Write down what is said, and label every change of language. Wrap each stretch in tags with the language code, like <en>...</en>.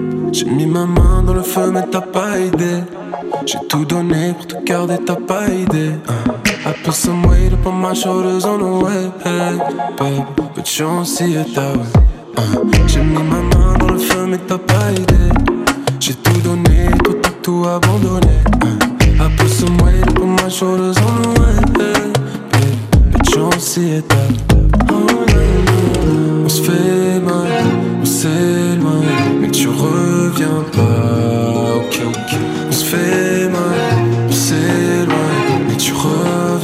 <fr>J'ai mis ma main dans le feu mais t'as pas idée. J'ai tout donné pour te garder, t'as pas idée.</fr> <en>I put some weight up on my shoulders on the way back, babe, but you don't see it that way.</en> <fr>J'ai mis ma main dans le feu mais t'as pas aidé. J'ai tout donné, toi t'as tout abandonné.</fr> <en>I put some weight up on my shoulders on the way back, babe, but you don't see it that way.</en> <fr>On se fait mal, on s'éloigne, mais tu reviens pas. Ok, ok. On se fait mal, on s'éloigne, mais tu reviendras.</fr>